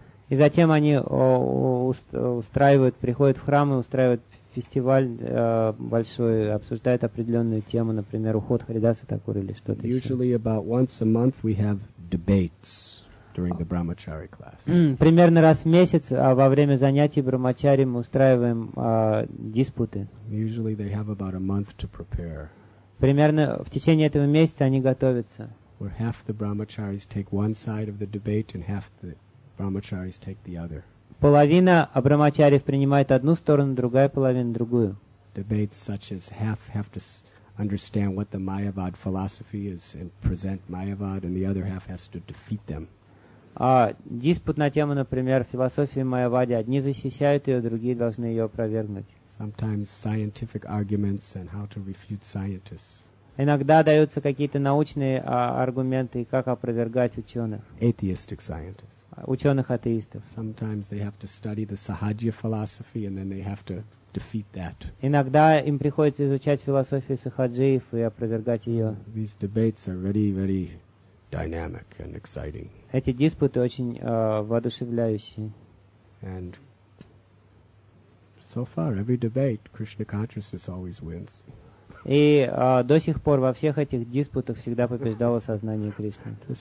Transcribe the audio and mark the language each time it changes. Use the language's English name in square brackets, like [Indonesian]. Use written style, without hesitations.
[Russian] И затем они устраивают, приходят в храм и устраивают фестиваль большой, обсуждает определенную тему, например, уход Харидаса Такура или что-то [English] Usually [Russian] еще. [English] About once a month we have debates during the brahmachari class. [Russian] Примерно раз в месяц во время занятий брахмачари мы устраиваем диспуты. [English] Usually they have about a month to prepare. [Russian] Примерно в течение этого месяца они готовятся. [English] Where half the brahmacharis take one side of the debate and half the brahmacharis take the other. [Russian] Половина брахмачариев принимает одну сторону, другая половина другую. [English] Debates such as half to understand what the Mayavad philosophy is and present Mayavad, and the other half has to defeat them. [Russian] Диспут на тему, например, философии Майявады. Одни защищают ее, другие должны ее опровергнуть. [English] Sometimes scientific arguments and how to refute scientists. [Russian] Иногда даются какие-то научные аргументы и как опровергать ученых. [English] Atheistic scientists. [Russian] Ученых-атеистов. [English] Sometimes they have to study the Sahajya philosophy and then they have to defeat that. [Russian] Иногда им приходится изучать философию сахаджиев и опровергать ее. [English] These debates are very, very dynamic and exciting. [Russian] Эти диспуты очень воодушевляющие. [English] And so far, every debate, Krishna consciousness always wins. [Russian] И до сих пор во всех этих диспутах всегда побеждало сознание Кришны.